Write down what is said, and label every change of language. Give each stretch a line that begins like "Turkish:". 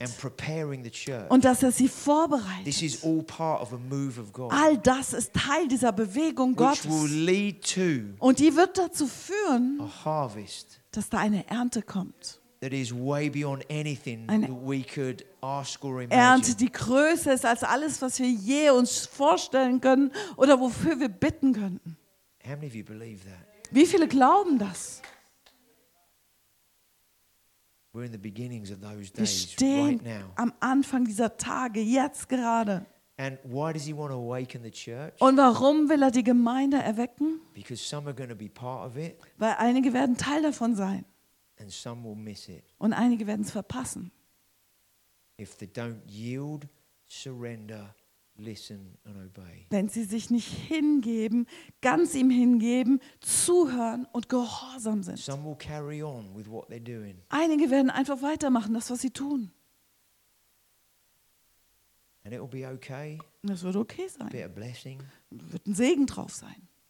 English: and preparing the church.
German: Und dass er sie vorbereitet.
English: This is all, part of a move of God,
German: all das ist Teil dieser Bewegung Gottes
English: which will lead to
German: und die wird dazu führen,
English: a harvest,
German: dass da eine Ernte kommt.
English: that is way beyond anything we could ask or imagine.
German: Ernte, die größer ist als alles, was wir je uns vorstellen können oder wofür wir bitten könnten.
English: How many of you believe that?
German: Wie viele glauben das?
English: We're in the beginnings of those days,
German: wir stehen am Anfang dieser Tage, jetzt gerade.
English: And why does he want to awaken the church?
German: Und warum will er die Gemeinde erwecken?
English: Because some are going to be part of it.
German: Weil einige werden Teil davon sein.
English: And some will miss it.
German: Und einige werden es verpassen.
English: If they don't yield, surrender, listen and obey.
German: Wenn sie sich nicht hingeben, ganz ihm hingeben, zuhören und gehorsam sind.
English: Some will carry on with what they're doing.
German: Einige werden einfach weitermachen, das was sie tun.
English: And it will be okay.
German: Das wird okay sein.
English: A bit of blessing.
German: Wird ein Segen drauf sein.